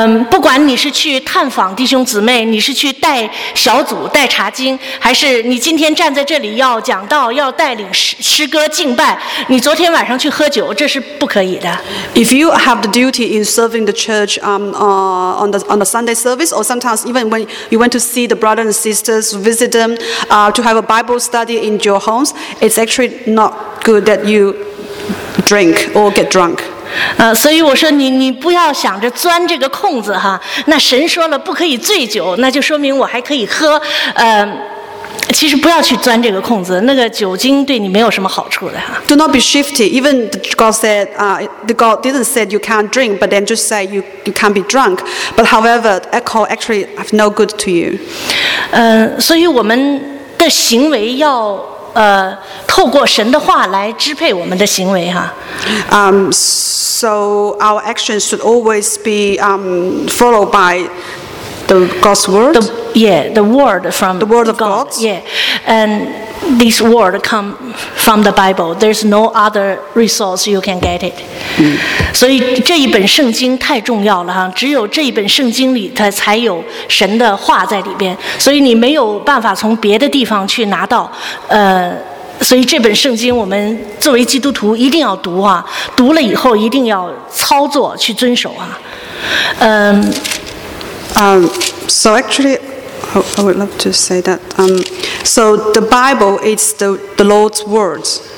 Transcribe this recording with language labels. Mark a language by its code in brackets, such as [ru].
[zh] 不管你是去探访弟兄姊妹，你是去带小组带查经，还是你今天站在这里要讲道要带领诗歌敬拜，你昨天晚上去喝酒，这是不可以的。 [en] If you have the duty in serving the church on the Sunday service, or sometimes even when you went to see the brothers and sisters, visit them, to have a Bible study in your homes, it's actually not good that you drink or get drunk. [zh] 所以我说你不要想着钻这个空子哈。那神说了不可以醉酒，那就说明我还可以喝。其实不要去钻这个空子，那个酒精对你没有什么好处的哈。 [en] Do not be shifty. Even God said, the God didn't say you can't drink, but then just say you can't be drunk. But however, alcohol actually have no good to you. [zh] 所以我们的行为要透过神的话来支配我们的行为哈。 [en] So our actions should always be followed by the God's word. The word of God. Yeah, and this word come from the Bible. There's no other resource you can get it. [zh] 所以这一本圣经太重要了哈，只有这一本圣经里它才有神的话在里边，所以你没有办法从别的地方去拿到。所以这本圣经我们作为基督徒一定要读啊，读了以后一定要操作去遵守啊。 [en] So actually, I would love to say that. So the Bible is the Lord's words.